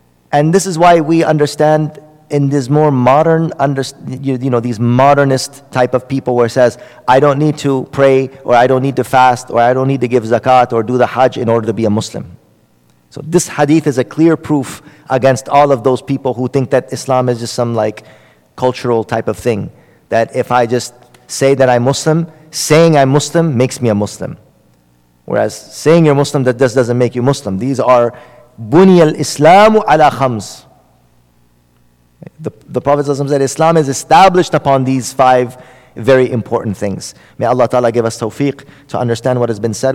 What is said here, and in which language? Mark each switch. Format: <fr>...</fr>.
<en>And this is why we understand in this more modern, these modernist type of people where it says, I don't need to pray, or I don't need to fast, or I don't need to give zakat or do the hajj in order to be a Muslim. So this hadith is a clear proof against all of those people who think that Islam is just some like cultural type of thing. That if I just say that I'm Muslim, saying I'm Muslim makes me a Muslim. Whereas saying you're Muslim, that just doesn't make you Muslim. These are</en> <ar>بني الإسلام على خمس.</ar> <en>The Prophet ﷺ said Islam is established upon these five very important things. May Allah Ta'ala give us tawfiq to understand what has been said.</en>